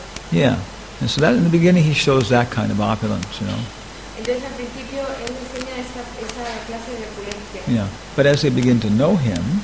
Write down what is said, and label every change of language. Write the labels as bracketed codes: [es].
[en] Yeah, and so that in the beginning he shows that kind of opulence, you know. [es] Entonces, al principio, él enseña esa clase de opulencia. [en] Yeah, but as they begin to know him,